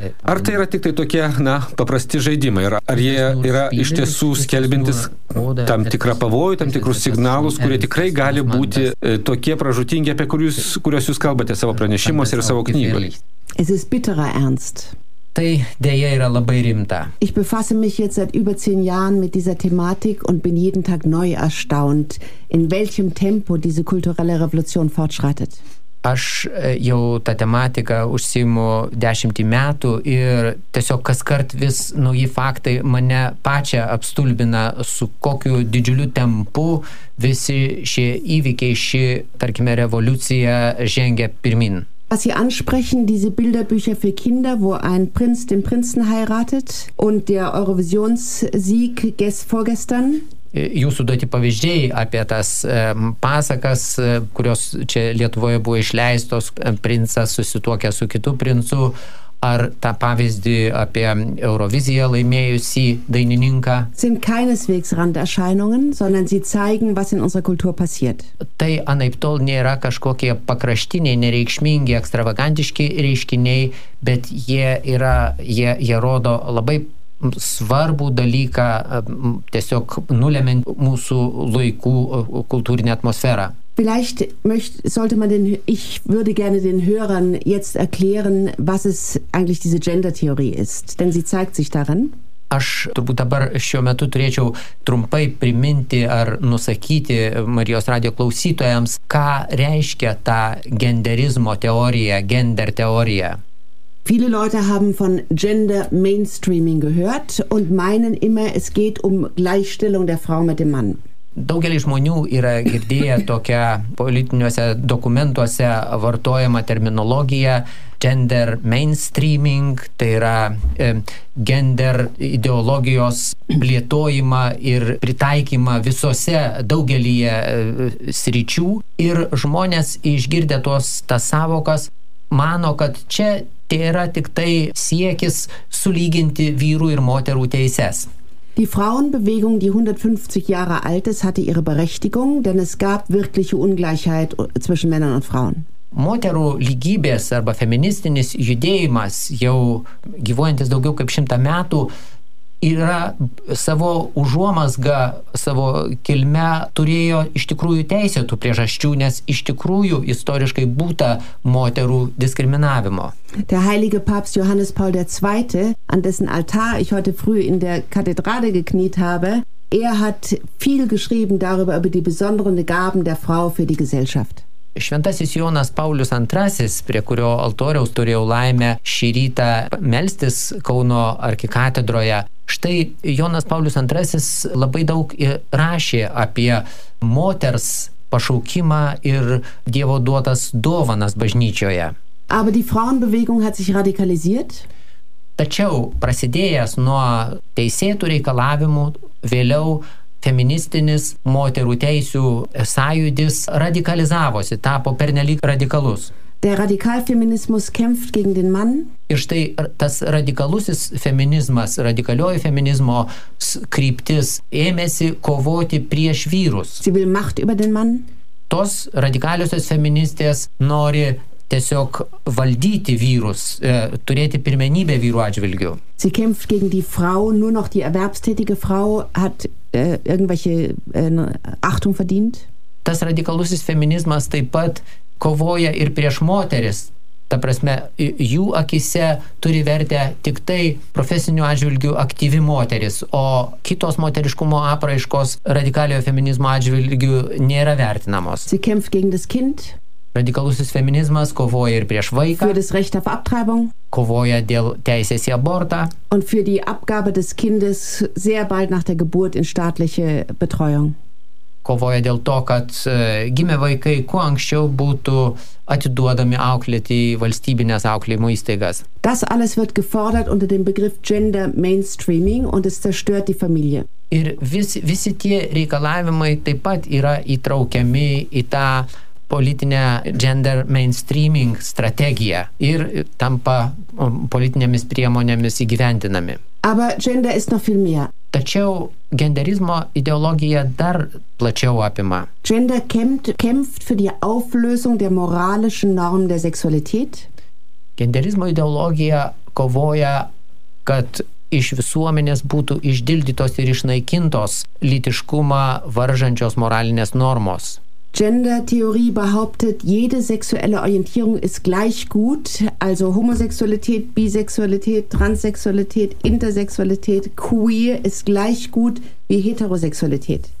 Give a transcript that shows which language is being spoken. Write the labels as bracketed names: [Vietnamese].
[Lithuanian] Ar tai yra tik tai tokie, paprasti žaidimai? Ar jie yra iš tiesų skelbintis tam tikrą pavojų, tam tikrus signalus, kurie tikrai gali būti tokie pražutingi, apie kuriuos jūs kalbate savo pranešimuose ir savo knygoje? [German] Es ist bitterer Ernst. [Lithuanian] Tai deja yra labai rimta. [German] Ich befasse mich jetzt seit über 10 Jahren mit dieser Thematik und bin jeden Tag neu erstaunt, in welchem Tempo diese kulturelle Revolution fortschreitet. [Lithuanian] Aš jau tą tematiką užsiimu 10 metų ir tiesiog kaskart vis nauji faktai mane pačią apstulbina, su kokiu didžiuliu tempu visi šie įvykiai, ši, tarkime, revoliucija žengia pirmin. [German] Was Sie ansprechen, diese Bilderbücher für Kinder, wo ein Prinz den Prinzen heiratet und der Eurovisionssieg vorgestern. [Lithuanian] Jūsų duoti pavyzdžiai apie tas pasakas, kurios čia Lietuvoje buvo išleistos, princas susituokė su kitu princu, ar tą pavyzdį apie Euroviziją laimėjusį dainininką. [German] Sind keineswegs Randerscheinungen, sondern sie zeigen, was in unserer Kultur passiert. [Lithuanian] Tai anaiptol nėra kažkokie pakraštiniai, nereikšmingi, ekstravagantiški reiškiniai, bet jie rodo labai svarbų dalyką, tiesiog nulemiant mūsų laikų kultūrinę atmosferą. [German] Vielleicht sollte man den, ich würde gerne den Hörern jetzt erklären, was es eigentlich diese Gender-Theorie ist, denn sie zeigt sich darin. [Lithuanian] Aš turbūt dabar šiuo metu turėčiau trumpai priminti ar nusakyti Marijos radijo klausytojams, ką reiškia ta genderizmo teorija, gender teorija. [German] Viele Leute haben von Gender Mainstreaming gehört und meinen immer, es geht um Gleichstellung der Frau mit dem Mann. [Lithuanian] Daugelis žmonių yra girdėję tokią politiniuose dokumentuose vartojamą terminologiją gender mainstreaming, tai yra gender ideologijos plėtojimą ir pritaikymą visose daugelyje sričių. Ir žmonės išgirdę tas savokas mano, kad čia tai yra tik tai siekis sulyginti vyrų ir moterų teises. [German] Die Frauenbewegung, die 150 Jahre alt ist, hatte ihre Berechtigung, denn es gab wirkliche Ungleichheit zwischen Männern und Frauen. [Lithuanian] Moterų lygybės arba feministinis judėjimas, jau gyvuojantis daugiau kaip 100 metų, yra savo užuomazgą, savo kilmę turėjo iš tikrųjų teisėtų priežasčių, nes iš tikrųjų istoriškai būta moterų diskriminavimo. [German] Der heilige Papst Johannes Paul II., an dessen Altar ich heute früh in der Kathedrale gekniet habe, hat viel geschrieben darüber, über die besonderen Gaben der Frau für die Gesellschaft. [Lithuanian] Šventasis Jonas Paulius II, prie kurio altoriaus turėjau laimę šį rytą melstis Kauno arkikatedroje, štai Jonas Paulius II labai daug rašė apie moters pašaukimą ir Dievo duotas dovanas bažnyčioje. [German] Aber die Frauenbewegung hat sich radikalisiert. [Lithuanian] Tačiau prasidėjęs nuo teisėtų reikalavimų, vėliau feministinis moterų teisių sąjūdis radikalizavosi, tapo pernelyg radikalus. [German] Der Radikalfeminismus kämpft gegen den Mann. [Lithuanian] Ir štai tas radikalusis feminizmas, radikalioji feminizmo kryptis ėmėsi kovoti prieš vyrus. [German] Sie will Macht über den Mann. [Lithuanian] Tos radikaliosios feministės nori tiesiog valdyti vyrus, turėti pirmenybę vyrų atžvilgių. [German] Sie kämpft gegen die Frau, nur noch die erwerbstätige Frau hat irgendwelche Achtung verdient. [Lithuanian] Tas radikalusis feminizmas taip pat kovoja ir prieš moteris. Ta prasme, jų akise turi vertę tik tai profesiniu atžvilgiu aktyvi moteris, o kitos moteriškumo apraiškos radikaliojo feminizmo atžvilgiu nėra vertinamos. [German] Sie kämpft gegen das Kind. [Lithuanian] Radikalusis feminizmas kovoja ir prieš vaiką. [German] Für das Recht auf Abtreibung. [Lithuanian] Kovoja dėl teisės į abortą. [German] Und für die Abgabe des Kindes sehr bald nach der Geburt in staatliche Betreuung. [Lithuanian] Kovoja dėl to, kad gimę vaikai kuo anksčiau būtų atiduodami auklėti valstybinės auklėjimo įstaigas. [German] Das alles wird gefordert unter dem Begriff Gender Mainstreaming und es zerstört die Familie. [Lithuanian] Ir visi tie reikalavimai taip pat yra įtraukiami į tą politinę gender mainstreaming strategiją ir tampa politinėmis priemonėmis įgyvendinami. [German] Aber gender ist noch viel mehr. [Lithuanian] Tačiau genderizmo ideologija dar plačiau apima. [German] Gender kämpft für die Auflösung der moralischen Normen der Sexualität. [Lithuanian] Genderizmo ideologija kovoja, kad iš visuomenės būtų išdildytos ir išnaikintos lytiškumą varžančios moralinės normos. [German] Gender-Theorie behauptet, jede sexuelle Orientierung ist gleich gut, also Homosexualität, Bisexualität, Transsexualität, Intersexualität, Queer ist gleich gut wie Heterosexualität.